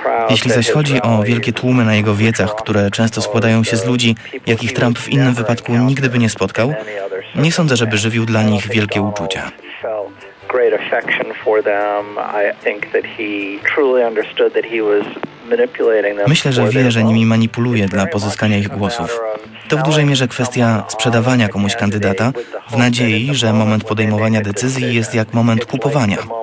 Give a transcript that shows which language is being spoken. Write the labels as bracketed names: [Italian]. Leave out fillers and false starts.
[Polish] Jeśli zaś chodzi o wielkie tłumy na jego wiecach, które często składają się z ludzi, jakich Trump w innym wypadku nigdy by nie spotkał, nie sądzę, żeby żywił dla nich wielkie uczucia. [English] felt great affection for them. I think that he truly understood that he was manipulating them. [Polish] Myślę, że wie, że nimi manipuluje dla pozyskania ich głosów. To w dużej mierze kwestia sprzedawania komuś kandydata w nadziei, że moment podejmowania decyzji jest jak moment kupowania.